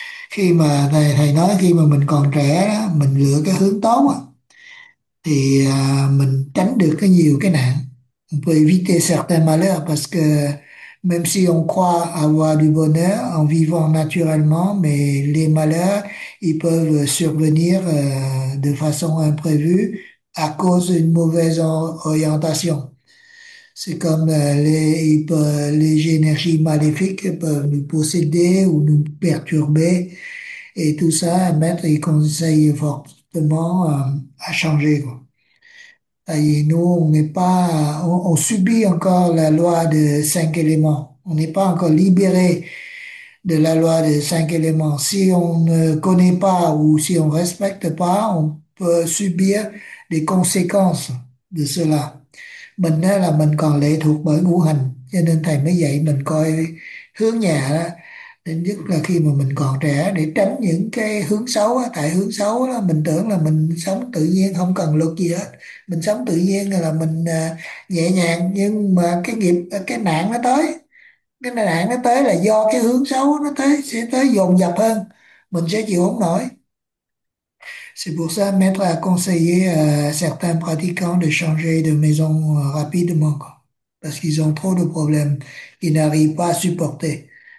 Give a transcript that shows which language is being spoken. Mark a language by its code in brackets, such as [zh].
[vi] Khi mà thầy nói khi mà mình còn trẻ đó, mình lựa cái hướng tốt đó, thì mình tránh được cái nhiều cái nạn. [fr] On peut éviter certains malheurs parce que même si on croit avoir du bonheur en vivant naturellement, mais les malheurs, ils peuvent survenir de façon imprévue à cause d'une mauvaise orientation. C'est comme les énergies maléfiques peuvent nous posséder ou nous perturber. Et tout ça, un maître, il conseille fortement à changer, quoi. Et nous, on n'est pas, on subit encore la loi de cinq éléments. On n'est pas encore libéré de la loi de cinq éléments. Si on ne connaît pas ou si on respecte pas, on peut subir des conséquences de cela. [vi] Mình đó là mình còn lệ thuộc bởi ngũ hành, cho nên thầy mới dạy mình coi hướng nhà đó, nên nhất là khi mà mình còn trẻ, để tránh những cái hướng xấu đó. Tại hướng xấu đó mình tưởng là mình sống tự nhiên không cần luật gì hết, mình sống tự nhiên là mình nhẹ nhàng, nhưng mà cái nghiệp, cái nạn nó tới, cái nạn nó tới là do cái hướng xấu nó tới, sẽ tới dồn dập hơn, mình sẽ chịu không nổi. [fr] C'est pour ça, maître a conseillé à certains pratiquants de changer de maison rapidement, parce qu'ils ont trop de problèmes qu'ils n'arrivent pas à supporter.